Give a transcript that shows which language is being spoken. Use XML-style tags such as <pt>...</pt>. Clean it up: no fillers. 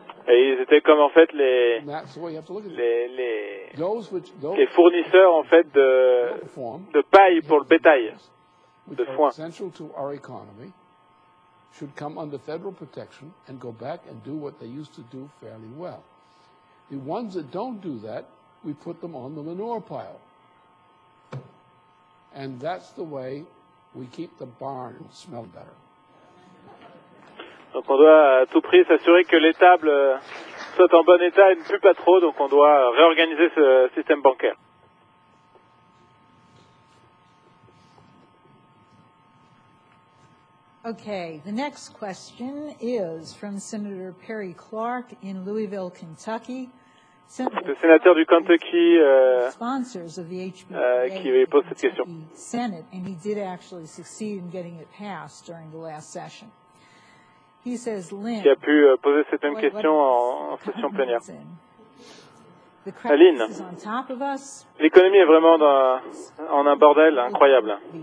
<fr>Et ils étaient comme, en fait, les fournisseurs, en fait, de paille pour le bétail, de foin.</fr> <en>Central to our economy should come under federal protection and go back and do what they used to do fairly well. The ones that don't do that, we put them on the manure pile. And that's the way we keep the barn smell better.</en> <fr>Donc on doit à tout prix s'assurer que l'étable soit en bon état et ne pue pas trop, donc on doit réorganiser ce système bancaire.</fr> <en>Okay, the next question is from Senator Perry Clark in Louisville, Kentucky.</en> <fr>Le sénateur du Kentucky qui pose cette question.</fr> <en>Senate, and he did actually succeed in getting it passed during the last session. He says, Lynn,</en> <fr>qui a pu poser cette même question en session plénière. Aline, l'économie est vraiment en un bordel incroyable.</fr>